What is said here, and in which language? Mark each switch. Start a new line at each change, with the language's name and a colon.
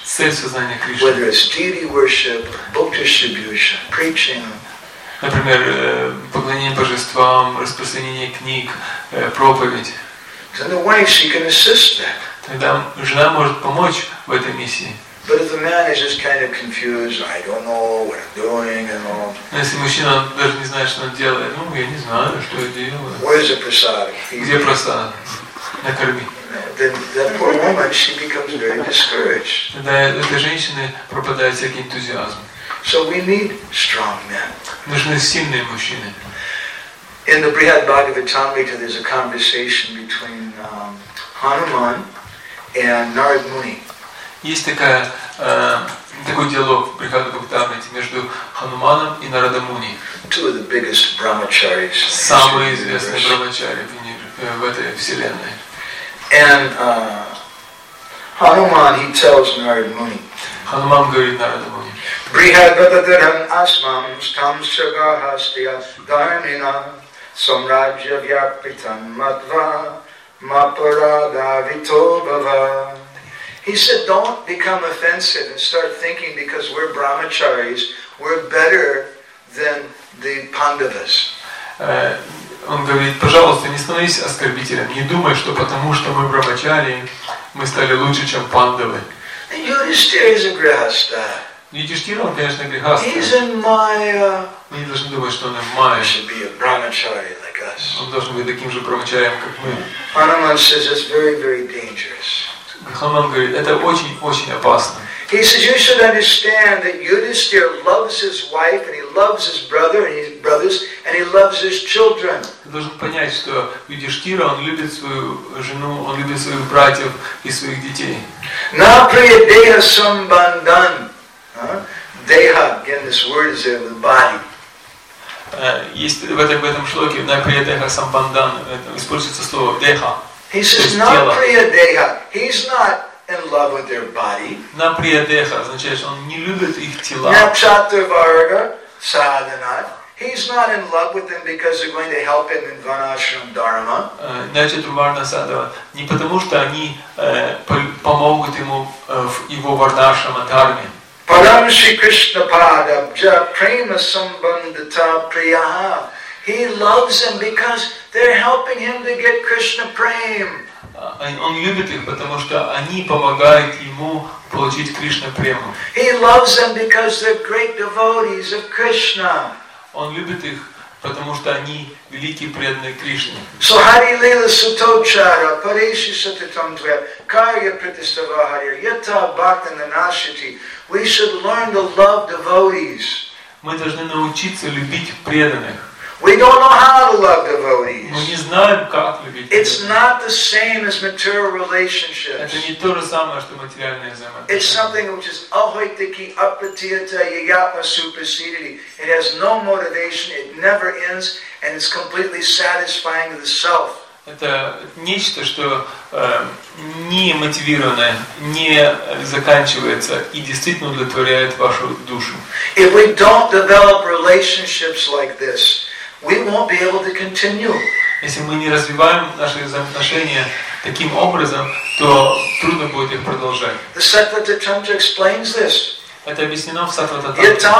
Russian: Цель сознания Кришны.
English: Whether it's deity worship, book distribution, preaching.
Russian: Например, поклонение божествам, распространение книг, проповедь.
English: Then the wife she can assist that.
Russian: Тогда жена может помочь в этой миссии.
English: But if the man is just kind of confused, I don't know what I'm doing and all.
Russian: Но если мужчина даже не знает, что он делает, ну я не знаю, что я делаю.
English: Where is the prasad?
Russian: Где прасад? Накорми.
English: Then that poor woman, she becomes very discouraged.
Russian: Тогда эта женщина пропадает всякий энтузиазм.
English: So we need strong men.
Russian: Нужны сильные мужчины.
English: In the Brihad Bhagavatamrita, there's a conversation between Hanuman and Narad Muni.
Russian: Есть такая, такой диалог в Брихаде Бхактамрите между Хануманом и Нарада Муни.
English: Two of the biggest brahmacharis.
Russian: Самые известные брахмачари в этой вселенной.
English: And Hanuman he tells Narada Muni.
Russian: Hanuman говорит Нараду Муни.
Sanskrit: Брихадададхам асмам стам сагахастия дарнина самраджья вьяпитам матва мапарадавито бхава.
English: He said, don't become offensive and start thinking because we're brahmacharis, we're better than the Pandavas.
Russian: Он говорит, пожалуйста, не становись оскорбителем. Не думай, что потому что мы брахмачари, мы стали лучше, чем пандавы.
English: Юдиштхира is a grihastha.
Russian: Юдиштхира, он, конечно, грихастха.
English: He's in Maya.
Russian: Мы не должны думать, что он в Майе.
English: He should be a brahmachari like us.
Russian: Он должен быть таким же брахмачарием, как мы.
English: Hanuman says it's very, very dangerous.
Russian: Хануман говорит, это очень-очень опасно.
English: He says, you should understand that Yudhisthira loves his wife and he loves his brother and his brothers and he loves his children.
Russian: Ты должен понять, что Юдиштхира, он любит свою жену, он любит своих братьев и своих детей.
Sanskrit: На приедеха самбандан.
English: Деха, again, this word is there, the body.
Russian: Есть в этом шлоке,
Sanskrit: на приедеха самбандан,
Russian: используется слово деха.
English: He says, not priyadeha. He's not in love with their body.
Russian: На приедеха означает, что он не любит их тела.
Sanskrit: Напшатварга, садханат.
English: He's not in love with them because they're going to help him in Vanashram Dharma.
Russian: Значит, Варнасадава не потому, что они помогут ему в его Варнашрама Дхарме.
Sanskrit: Param Shri Krishna Padam Ja Prema Sambandhita Priyaha.
English: He loves them because they're helping him to get Krishna Prema.
Russian: Он любит их, потому что они помогают ему получить Кришна Прему.
English: He loves them because they're great devotees of Krishna.
Russian: Он любит их, потому что они великие преданные Кришне.
Sanskrit: So Hari Lila Sutochara, Parishi Satitam Dvaya, Karya Pritisavahari, Yata Bhakta Nanashiti.
English: We should learn to love devotees.
Russian: Мы должны научиться любить преданных.
English: We don't know how to love devotees.
Russian: Мы не знаем, как любить.
English: It's not the same as material relationships.
Russian: Это не то же самое, что материальные взаимоотношения.
English: It's something which is
Sanskrit: ahoitiki apatiyata yayapa supersedity.
English: It has no motivation, it never ends, and it's completely satisfying to the self.
Russian: Это нечто, что не мотивированное, не заканчивается и действительно удовлетворяет вашу душу.
English: If we don't develop relationships like this, we won't be able to continue.
Russian: Если мы не развиваем наши взаимоотношения таким образом, то трудно будет их продолжать.
English: The Sattvata Tantra explains this.
Russian: Это объяснено в Сатвата Тантре.